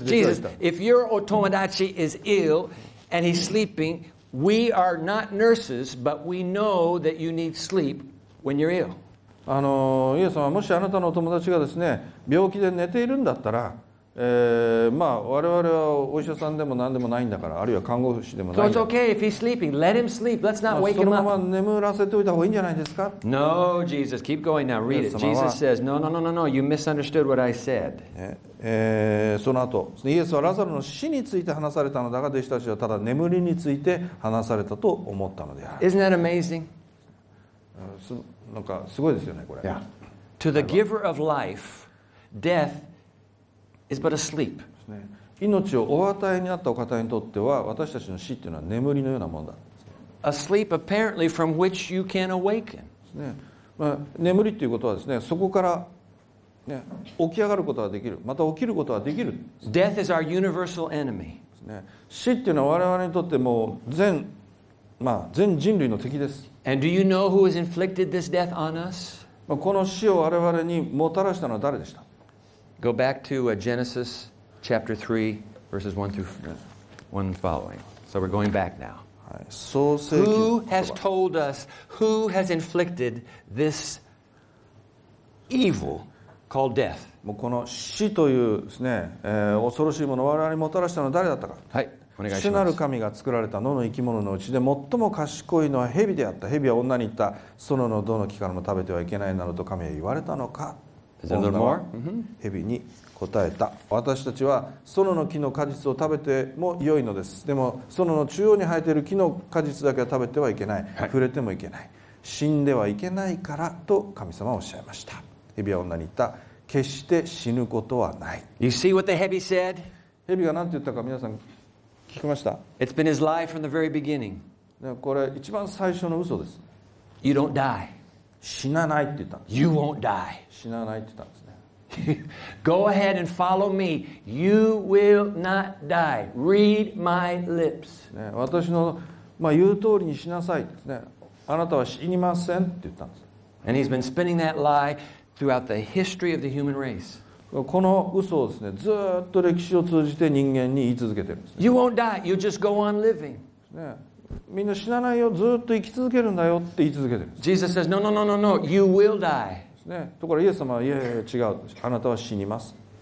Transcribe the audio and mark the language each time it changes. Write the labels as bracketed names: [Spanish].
[English] Jesus, if your otomodachi is ill and he's sleeping, we are not nurses, but we know that you need sleep when you're ill. [Japanese] イエス様、もしあなたのお友達がですね、病気で寝ているんだったら、まあ、我々はお医者さんでも何でもないんだから、あるいは看護師でもないんだ。 [English] So it's okay if he's sleeping. Let him sleep. Let's not wake him up. [Japanese] そのまま眠らせておいた方がいいんじゃないですか。 [English] No, Jesus. Keep going now. Read it. Jesus says, No. You misunderstood what I said.、 [Japanese] ね、その後、イエスはラザロの死について話されたのだが、弟子たちはただ眠りについて話されたと思ったのである。 [English] Isn't that amazing? [Japanese] なんかすごいですよね、これ。 [English] Yeah. To the giver of life, deathis but a sleep. [Japanese] 命をお与えになったお方にとっては、私たちの死というのは眠りのようなものだ。 [English] A sleep apparently from which you can awaken. [Japanese] 眠りということはですね、そこから、ね、起き上がることができる、また起きることができる。 [English] Death is our universal enemy. [Japanese] 死というのは我々にとってもう 全人類の敵です。 [English] And do you know who has inflicted this death on us? [Japanese] この死を我々にもたらしたのは誰でした？ [English] Go back to Genesis chapter 3, verses 1 through 1 following. So we're going back now. Who has told us, who has inflicted this evil called death? [Japanese] もうこの死というですね、恐ろしいものを我々にもたらしたのは誰だったか。はい。主なる神が作られた野の生き物のうちで最も賢いのは蛇であった。蛇は女に言った。そのどの木からも食べてはいけないなどと神は言われたのか。 [English] Is there a little more? [Japanese] 女は蛇に答えた。私たちは園の木の果実を食べても良いのです。でも園の中央に生えている木の果実だけは食べてはいけない、はい、触れてもいけない、死んではいけないからと神様はおっしゃいました。蛇は女に言った。決して死ぬことはない。 [English] You see what the 蛇 said? [Japanese] 蛇が何て言ったか皆さん聞きました？ [English] It's been his lie from the very beginning. [Japanese] これ一番最初の嘘です。 [English] You don't die. [Japanese] 死なないって言ったんです。 [English] You won't die. [Japanese] 死なないって言ったんですね。 [English] Go ahead and follow me. You will not die. Read my lips.、 [Japanese] ね、私の、まあ、言う通りに死なさいですね。あなたは死にませんって言ったんです。 [English] And he's been spinning that lie throughout the history of the human race. [Japanese] この嘘をですね、ずっと歴史を通じて人間に言い続けてるんです、ね。 [English] You won't die. You just go on living.、 [Japanese] ねみんな死なないよ、ずっと生き続けるんだよって言い続けてる。 [English] Jesus says, No, you will die.、 [Japanese] ね、ところがイエス様は、いや違う、あなたは死にます。